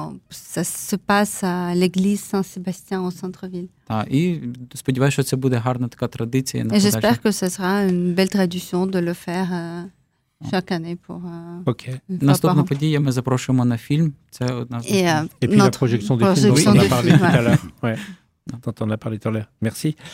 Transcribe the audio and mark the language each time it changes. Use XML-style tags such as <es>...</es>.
<fr>Ça se passe à l'église Saint-Sébastien au centre-ville.</fr> <uk>Так, і сподіваюся, що це буде гарна така традиція на подальше.</uk> <fr>Et j'espère que ce sera une belle tradition de le faire chaque année pour okay.</fr> <uk>Наступна подія ми запрошуємо на фільм, це одна з</uk> <fr>Et puis notre la projection du film, on en a parlé tout à l'heure. Ouais. Dont on a parlé tout à l'heure. Merci.</fr>